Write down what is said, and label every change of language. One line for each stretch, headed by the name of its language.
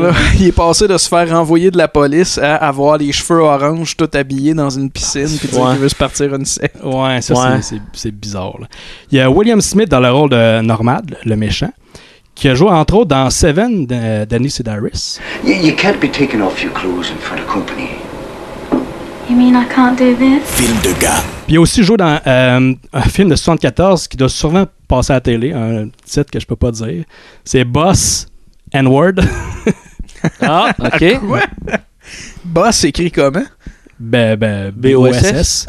French: Là, il est passé de se faire renvoyer de la police à avoir les cheveux orange tout habillé dans une piscine, puis dire qu'il veut se partir une scène. C'est bizarre. Là. Il y a William Smith dans le rôle de Normad, le méchant. Qui a joué entre autres dans Seven de Danny Sedaris.
English: You can't be taking off your clothes in front of company. You mean I can't do this?
French: Film de gars. Puis il a aussi joué dans un film de 74 qui doit sûrement passer à la télé, un titre que je peux pas dire. C'est Boss N-Word. Ah, OK. Quoi? Boss écrit comment? Ben B-O-S-S.